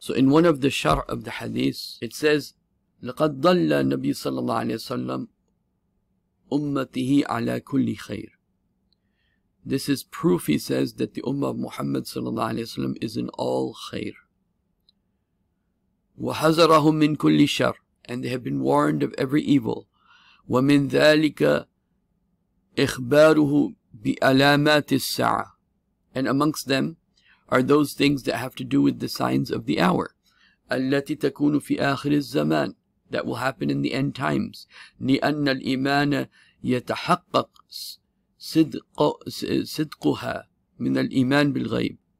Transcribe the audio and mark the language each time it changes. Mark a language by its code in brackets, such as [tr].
[en] So in one of the shar' of the hadith, it says, [ar] لقد ضل نبي صلى الله عليه وسلم أمته على كل خير. [en] This is proof, he says, that the Ummah of Muhammad صلى الله عليه وسلم is in all خير. [ar] وحذرهم من كل شر. [en] And they have been warned of every evil. [ar] ومن ذلك إخباره بألامات الساعة. [en] And amongst them are those things that have to do with the signs of the hour. [ar] التي تكون في آخر الزمان. [en] That will happen in the end times. [ar] لِأَنَّ الْإِيمَانَ يَتَحَقَّقْ صِدْقُهَا مِنَ الْإِيمَانِ بِالْغَيْبِ.